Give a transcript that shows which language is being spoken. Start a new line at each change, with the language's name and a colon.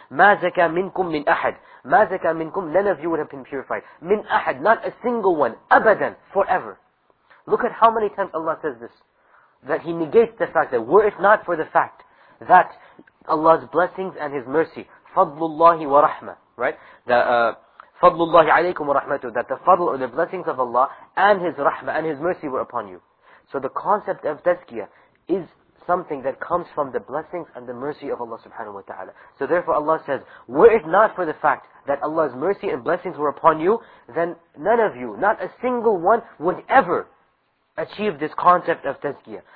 Arabic: مَا زَكَى مِنْكُمْ مِنْ أَحَدٍ. مَا زَكَى مِنْكُمْ.
English: None of you would have been purified.
Arabic: مِنْ أَحَدٍ.
English: Not a single one.
Arabic: أَبَدًا.
English: Forever. Look at how many times Allah says this. That He negates the fact that were it not for the fact that Allah's blessings and His mercy,
Arabic: فَضْلُ اللَّهِ وَرَحْمَةً.
English: Right?
Arabic: The فَضْلُ اللَّهِ عَلَيْكُمْ وَرَحْمَتُهُ.
English: That the fadl or the blessings of Allah and His rahmah and His mercy were upon you. So the concept of tazkiyah is something that comes from the blessings and the mercy of Allah subhanahu wa ta'ala. So therefore Allah says, were it not for the fact that Allah's mercy and blessings were upon you, then none of you, not a single one, would ever achieve this concept of tazkiyah.